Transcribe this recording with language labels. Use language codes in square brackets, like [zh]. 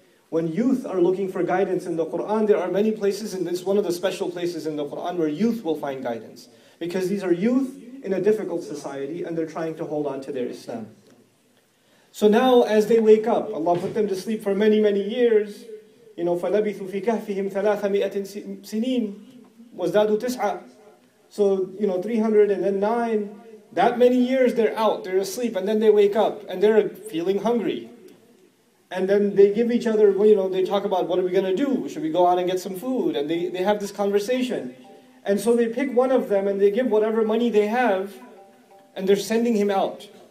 [en] When youth are looking for guidance in the Qur'an, there are many places, and it's one of the special places in the Qur'an where youth will find guidance. Because these are youth in a difficult society, and they're trying to hold on to their Islam. So now as they wake up, Allah put them to sleep for many, many years. [ar] You know, فَلَبِثُوا فِي كَهْفِهِمْ 300 سِنِينَ وَزْدَادُوا تِسْعًا. [en] So, you know, 309, that many years they're out, they're asleep, and then they wake up, and they're feeling hungry. And then they give each other, you know, they talk about, what are we going to do? Should we go out and get some food? And they have this conversation. And so they pick one of them, and they give whatever money they have, and they're sending him out.